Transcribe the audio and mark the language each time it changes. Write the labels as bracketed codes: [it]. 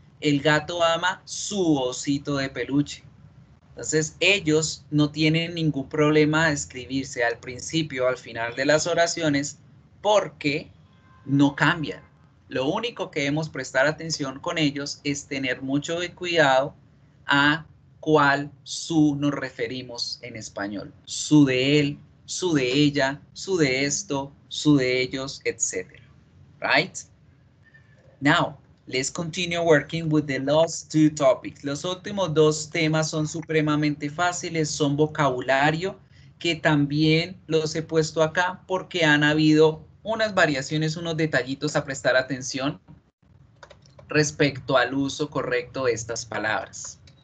[es] El gato ama su osito de peluche. Entonces, ellos no tienen ningún problema de escribirse al principio, al final de las oraciones, porque no cambian. Lo único que debemos prestar atención con ellos es tener mucho cuidado a cuál su nos referimos en español. Su de él, su de ella, su de esto, su de ellos, etc. [en] Right? Now, let's continue working with the last two topics. [es] Los últimos dos temas son supremamente fáciles, son vocabulario, que también los he puesto acá porque han habido unas variaciones, unos detallitos a prestar atención respecto al uso correcto de estas palabras.